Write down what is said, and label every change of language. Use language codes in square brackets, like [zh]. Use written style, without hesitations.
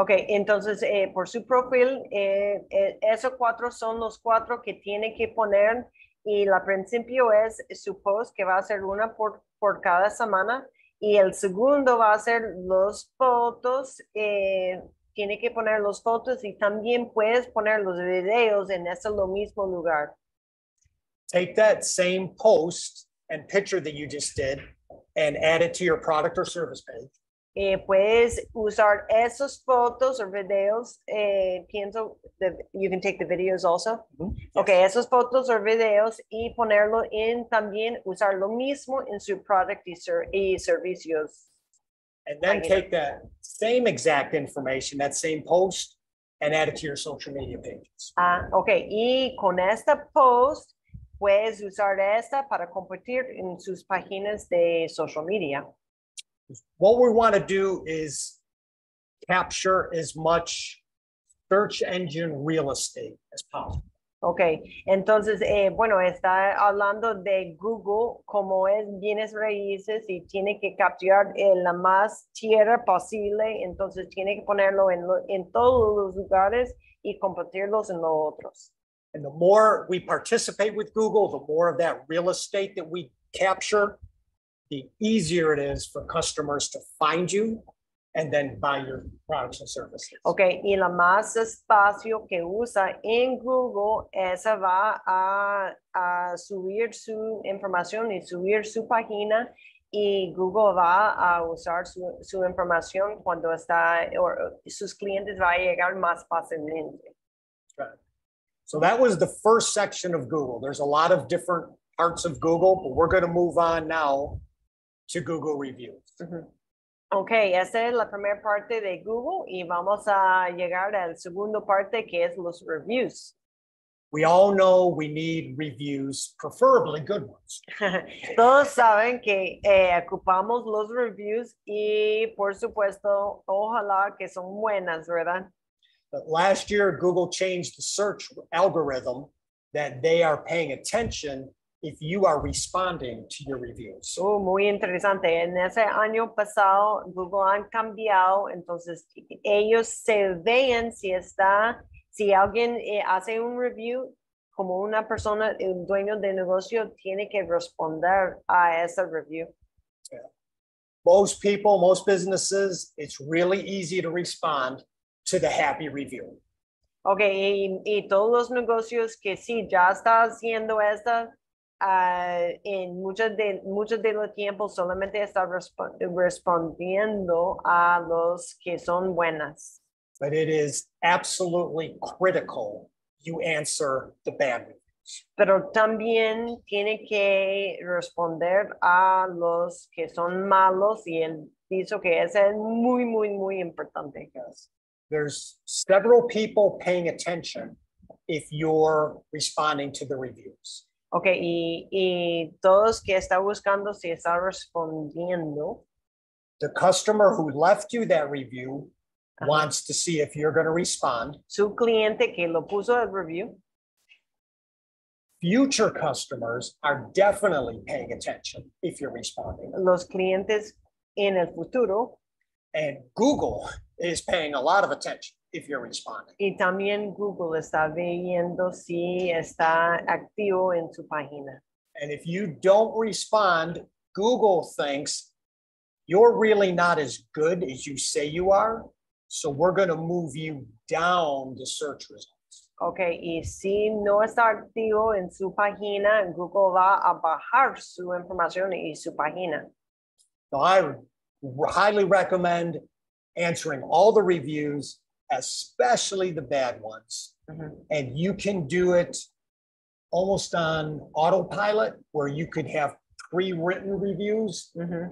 [es] Okay, entonces, por su profil, esos cuatro son los cuatro que tiene que poner. Y la principio es su post, que va a ser una por cada semana. Y el segundo va a ser los fotos. Tiene que poner los fotos y también puedes poner los videos en ese lo mismo lugar. [en] Take that same post and picture that you just did and add it to your product or service page. [es] Puedes usar esos fotos o videos. Pienso, [en] you can take the videos also. Mm-hmm. Yes. [es] Okay, esos fotos o videos y ponerlo en también usar lo mismo en su product y servicios. [en] And then take that same exact information, that same post, and add it to your social media pages. [es] Okay, y con esta post puedes usar esta para compartir en sus páginas de social media. [en] What we want to do is capture as much search engine real estate as possible. Okay. [es] Entonces, está hablando de Google como es bienes raíces y tiene que capturar la más tierra posible. Entonces, tiene que ponerlo en todos los lugares y compartirlos en los otros. [en] And the more we participate with Google, the more of that real estate that we capture, the easier it is for customers to find you and then buy your products and services. [es] Okay, y la más espacio que usa en Google, esa va a subir su información y subir su página, y Google va a usar su información cuando está, o sus clientes va a llegar más fácilmente. [en] So that was the first section of Google. There's a lot of different parts of Google, but we're going to move on now to Google reviews. Mm-hmm. [es] Okay, esa es la primera parte de Google y vamos a llegar al segundo parte que es los reviews. [en] We all know we need reviews, preferably good ones. [es] Todos saben que ocupamos los reviews y por supuesto, ojalá que son buenas, ¿verdad? [en] But last year, Google changed the search algorithm that they are paying attention if you are responding to your reviews. [es] Oh, muy interesante. En ese año pasado, Google han cambiado. Entonces, ellos se ven si alguien hace un review, como una persona, un dueño de negocio, tiene que responder a ese review. [en] Yeah. Most people, most businesses, it's really easy to respond to the happy review. [es] Okay, y todos los negocios que sí, ya está haciendo esta, En muchos de los tiempos solamente está respondiendo a los que son buenas. [en] But it is absolutely critical you answer the bad news. [es] Pero también tiene que responder a los que son malos, y él dijo que eso es muy, muy, muy importante. [en] Yes. There's several people paying attention if you're responding to the reviews. [es] Okay, y todos que está buscando si está respondiendo. [en] The customer who left you that review wants to see if you're going to respond. [es] Su cliente que lo puso el review. [en] Future customers are definitely paying attention if you're responding. [es] Los clientes en el futuro. [en] And Google is paying a lot of attention if you're responding. [es] Y también Google está viendo si está activo en su página. [en] And if you don't respond, Google thinks you're really not as good as you say you are. So we're going to move you down the search results. [es] Okay, y si no está activo en su página, Google va a bajar su información y su página. [en] So I highly recommend answering all the reviews, especially the bad ones. Mm-hmm. And you can do it almost on autopilot, where you could have pre-written reviews, mm-hmm.